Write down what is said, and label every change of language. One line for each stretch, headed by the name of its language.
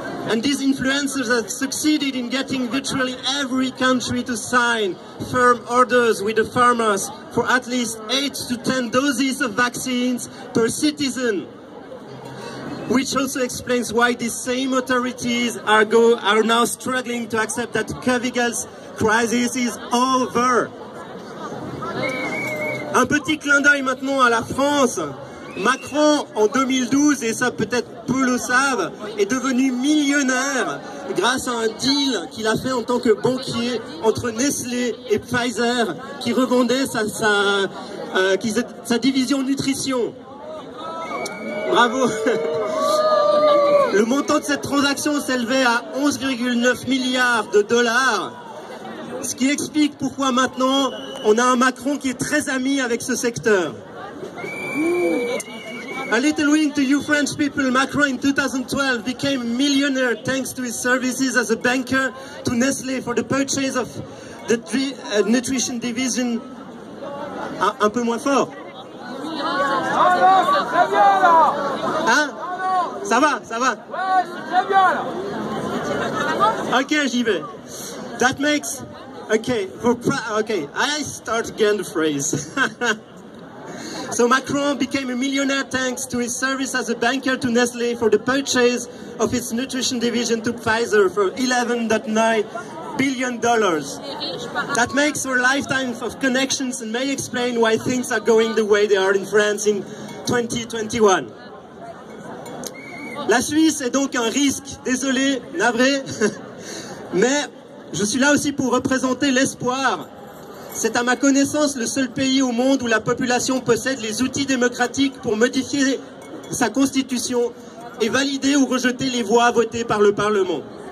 English: And these influencers have succeeded in getting virtually every country to sign firm orders with the pharmas for at least 8 to 10 doses of vaccines per citizen. Which also explains why these same authorities are now struggling to accept that Covid's crisis is over.
French: Un petit clin d'œil maintenant à la France. Macron, en 2012, et ça peut-être peu le savent, est devenu millionnaire grâce à un deal qu'il a fait en tant que banquier entre Nestlé et Pfizer, qui revendait sa division nutrition. Bravo! Le montant de cette transaction s'élevait à 11,9 milliards de dollars, ce qui explique pourquoi maintenant on a un Macron qui est très ami avec ce secteur.
English: A little wink to you French people, Macron in 2012 became a millionaire thanks to his services as a banker to Nestlé for the purchase of the nutrition division.
French: Un peu moins fort. Hein? Ça va. Ouais, c'est très bien, là. Ok, j'y vais.
English: That makes... I start again the phrase. So Macron became a millionaire thanks to his service as a banker to Nestlé for the purchase of its nutrition division to Pfizer for $11.9 billion. That makes for a lifetime of connections and may explain why things are going the way they are in France in 2021.
French: La Suisse est donc un risque, désolé, navré, mais je suis là aussi pour représenter l'espoir. C'est à ma connaissance le seul pays au monde où la population possède les outils démocratiques pour modifier sa constitution et valider ou rejeter les voix votées par le Parlement.